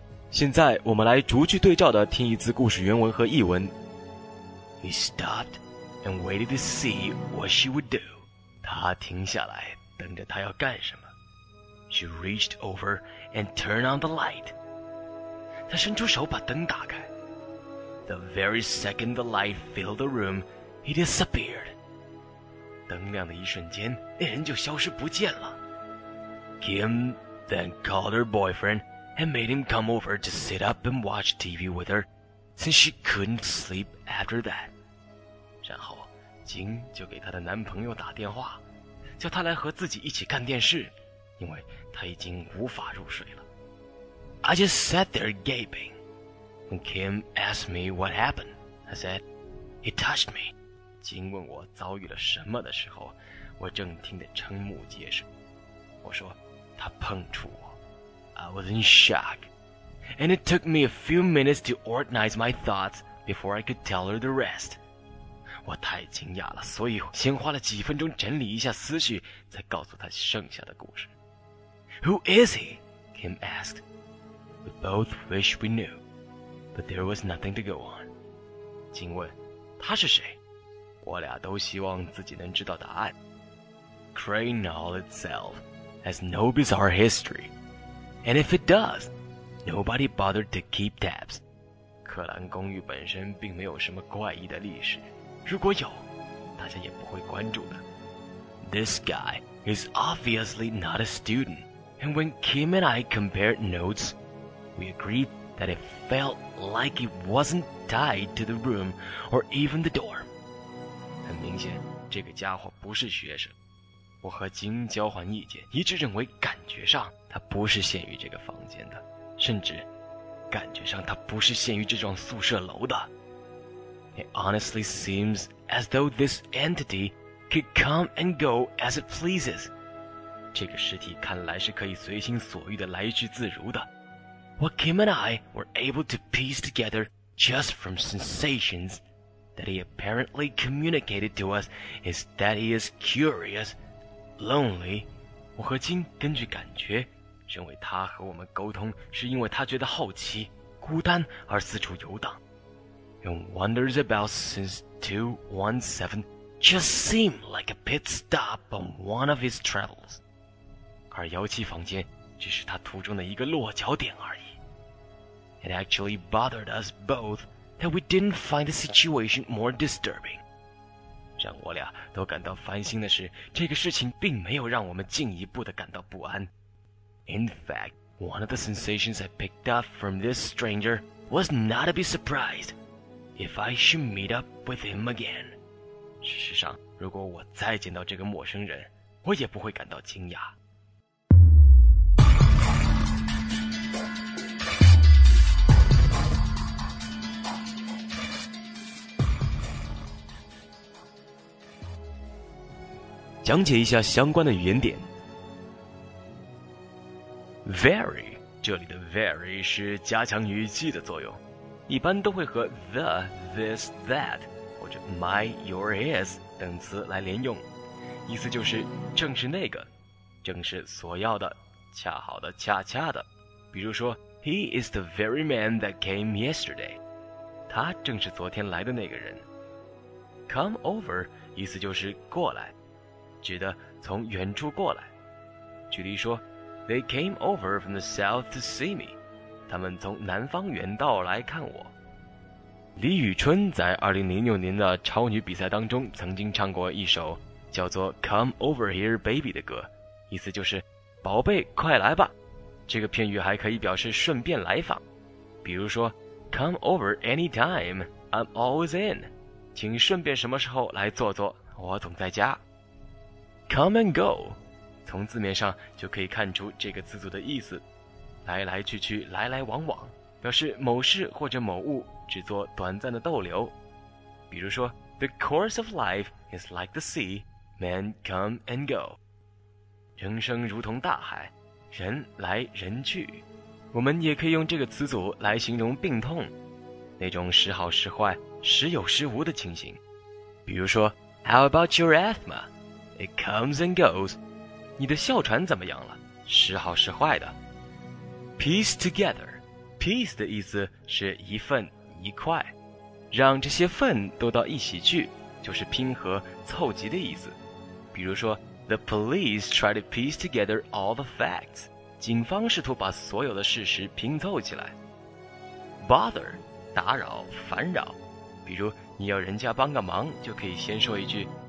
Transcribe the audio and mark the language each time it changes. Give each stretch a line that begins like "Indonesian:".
Chinese: 现在我们来逐句对照的听一次故事原文和译文。
English: He stopped and waited to see what she would do.
Chinese: 她停下来等着她要干什么。
English: She reached over and turned on the light.
Chinese: 她伸出手把灯打开。
English: The very second the light filled the room, he disappeared.
Chinese: 灯亮的一瞬间，那人就消失不见了。
English: Kim then called her boyfriend and made him come over to sit up and watch TV with her, since she couldn't sleep after that.
Chinese: 然后金就给她的男朋友打电话，叫他来和自己一起看电视，因为他已经无法入睡了。
English: I just sat there gaping. When Kim asked me what happened, I said, "He touched me."
Chinese: 金问我遭遇了什么的时候，我正听得瞠目结舌。我说他碰触我。
English: I was in shock, and it took me a few minutes to organize my thoughts before I could tell her the rest.
Chinese: 我太惊讶了，所以先花了几分钟整理一下思绪，再告诉她剩下的故事。
English: Who is he? Kim asked. We both wish we knew, but there was nothing to go on.
Chinese: 金问，他是谁？我俩都希望自己能知道答案。
English: Crane all itself has no bizarre history. And if it does, nobody bothered to keep tabs.
Chinese: 克兰公寓本身并没有什么怪异的历史。如果有，大家也不会关注的。
English: This guy is obviously not a student. And when Kim and I compared notes, we agreed that it felt like it wasn't tied to the room or even the door.
Chinese: 很明显，这个家伙不是学生。我和金交换意见，一致认为感觉上他不是限于这个房间的，甚至感觉上他不是限于这幢宿舍楼的。
English: It honestly seems as though this entity could come and go as it pleases.
Chinese: 这个实体看来是可以随心所欲的来去自如的。
English: What Kim and I were able to piece together just from sensations that he apparently communicated to us is that he is curious. Lonely,
Chinese: 我和金根据感觉认为他和我们沟通是因为他觉得好奇孤单而四处游荡。
English: And wonders about since 217 just seemed like a pit stop on one of his travels.
Chinese: 而17房间只是他途中的一个落脚点而已。
English: It actually bothered us both that we didn't find the situation more disturbing.
Chinese: 让我俩都感到烦心的是，这个事情并没有让我们进一步的感到不安。
English: In fact, one of the sensations I picked up from this stranger was not to be surprised if I should meet up with him again.
Chinese: 事实上，如果我再见到这个陌生人，我也不会感到惊讶。讲解一下相关的语言点。 Very, 这里的 very 是加强语气的作用，一般都会和 the, this, that 或者 my, your, his 等词来连用，意思就是正是那个，正是所要的，恰好的，恰恰的。比如说
English: He is the very man that came yesterday.
Chinese: 他正是昨天来的那个人。 Come over, 意思就是过来，指的从远处过来。举例说
English: They came over from the south to see me.
Chinese: 他们从南方远道来看我。李宇春在2006年的超女比赛当中曾经唱过一首叫做 Come over here baby 的歌，意思就是宝贝快来吧。这个片语还可以表示顺便来访，比如说
English: Come over anytime, I'm always in.
Chinese: 请顺便什么时候来坐坐，我总在家。
English: Come and go,
Chinese: 从字面上就可以看出这个词组的意思，来来去去，来来往往，表示某事或者某物只做短暂的逗留。比如说
English: The course of life is like the sea, men come and go.
Chinese: 人生如同大海，人来人去。我们也可以用这个词组来形容病痛，那种时好时坏，时有时无的情形。比如说
English: How about your asthma? It comes and goes.
Chinese: 你的哮喘怎么样了？时好时坏的。
English: Piece together.
Chinese: Piece 的意思是一份一块，让这些份都到一起去，就是拼合凑集的意思。比如说
English: The police try to piece together all the facts.
Chinese: 警方试图把所有的事实拼凑起来。 Bother 打扰烦扰，比如你要人家帮个忙，就可以先说一句